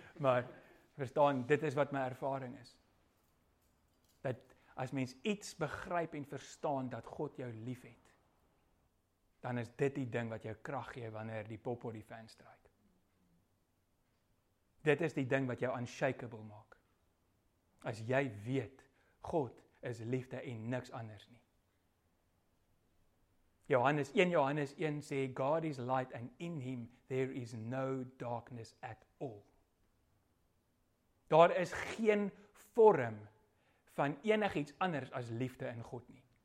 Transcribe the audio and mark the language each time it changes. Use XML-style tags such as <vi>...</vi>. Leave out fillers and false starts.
<af>Maar verstaan, dit is wat my ervaring is. Dat as mens iets begryp en verstaan dat God jou lief het, dan is dit die ding wat jou krag gee wanneer die pop op die fan stryk. Dit is die ding wat jou unshakable maak. As jy weet, God is liefde en niks anders nie. Johannes 1, Johannes 1 sê,</af> <en>God is light and in him there is no darkness at all.</en> <af>Daar is geen vorm van enigiets anders as liefde in God nie.</af>